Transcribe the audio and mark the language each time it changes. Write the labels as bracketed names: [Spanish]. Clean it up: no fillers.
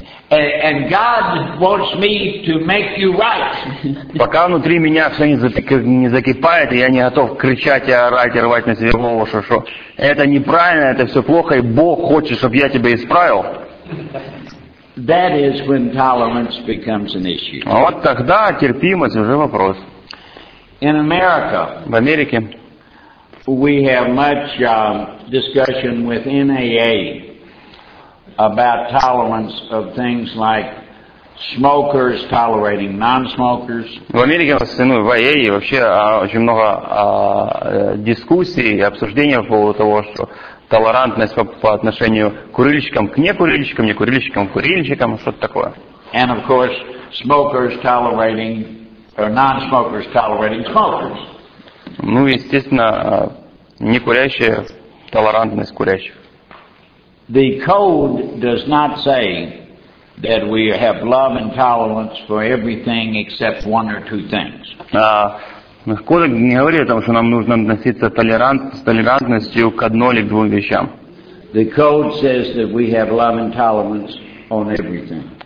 [English] And God wants me to make you right. [Russian] Пока внутри меня все не закипает, и я не готов кричать и орать и рвать на себе голову, что это неправильно, это все плохо, и Бог хочет, чтобы я тебя исправил. [English] That is when tolerance becomes an issue. [Russian] А вот тогда терпимость уже вопрос. [English] In America, [Russian] в Америке, [English] we have much discussion with NAA about tolerance of things like smokers tolerating non-smokers. [Russian] В Америке, в АА, вообще очень много дискуссий и обсуждений по поводу того, что толерантность по отношению курильщикам к некурильщикам, некурильщикам к курильщикам, что-то такое. [English] And of course, smokers tolerating or non-smokers tolerating smokers. [Russian] Ну, естественно, некурящие толерантность курящих. [English] The code does not say that we have love and tolerance for everything except one or two things. [Russian] Кодек не говорит о том, что нам нужно относиться с толерантностью к одной или к двум вещам. [English] The code says that we have love and tolerance on everything.